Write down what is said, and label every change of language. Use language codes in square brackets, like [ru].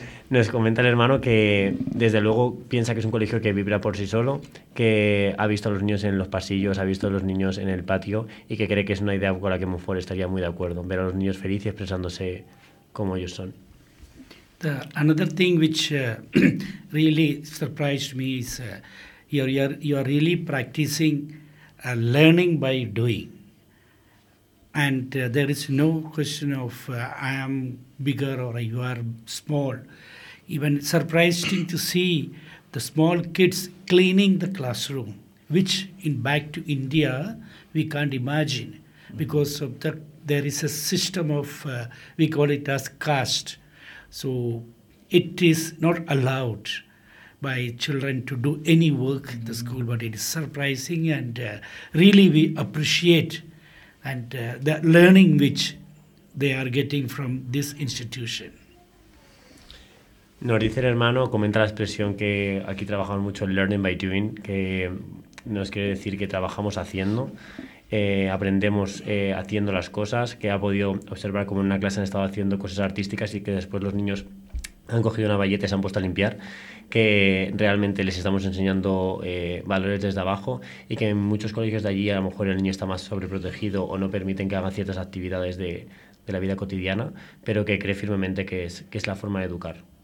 [es] Nos comenta el hermano que desde luego piensa que es un colegio que vibra por sí solo, que ha visto a los niños en los pasillos, ha visto a los niños en el patio, y que cree que es una idea con la que Montfort estaría muy de acuerdo, ver a los niños felices expresándose como ellos son. [en] Another thing which really surprised me is you are really practicing learning by doing. And there is no question of I am bigger or you are small. Even surprising to see the small kids cleaning the classroom, which in back to India we can't imagine because of there is a system of, we call it as caste. So it is not allowed by children to do any work in the school, but it is surprising and really we appreciate and the learning which they are getting from this institution. [es] Nos dice el hermano, comenta la expresión que aquí trabajamos mucho en [en] learning by doing, [es] que nos quiere decir que trabajamos haciendo. Aprendemos haciendo las cosas, que ha podido observar cómo en una clase han estado haciendo cosas artísticas y que después los niños han cogido una bayeta y se han puesto a limpiar, que realmente les estamos enseñando valores desde abajo y que en muchos colegios de allí a lo mejor el niño está más sobreprotegido o no permiten que haga ciertas actividades de la vida cotidiana, pero que cree firmemente que es la forma de educar.